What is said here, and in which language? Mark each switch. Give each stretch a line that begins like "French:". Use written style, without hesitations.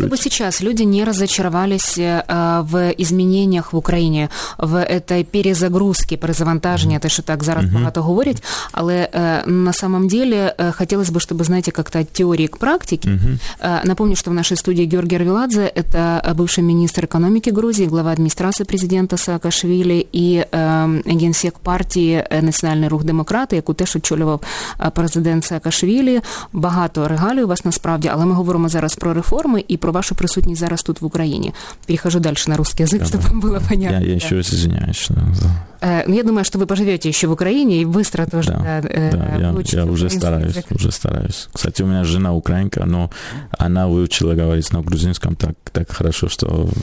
Russian: Вот чтобы сейчас люди не разочаровались в изменениях в Украине, в этой перезагрузке, перезавантаженности, это еще так
Ukrainian: зараз багато говорить, але
Russian: на самом деле хотелось бы, чтобы, знаете, как-то от теории к практике. Напомню, что в нашей студии Георгий Арвеладзе, это бывший министр экономики Грузии, глава администрации президента Саакашвили и генсек партии «Национальный рух демократы»,
Ukrainian: яку теж очолював президент Саакашвили. Багато регалий у вас насправді, але ми говоримо зараз про реформи і про вашу присутність зараз тут в Україні.
Russian: Перехожу дальше на русский язык, чтобы вам было понятно. Я еще раз извиняюсь, что... Я думаю, что вы поживете еще в Украине и быстро тоже. Я уже стараюсь. Кстати, у меня жена украинка, но она выучила говорить на грузинском так хорошо, что...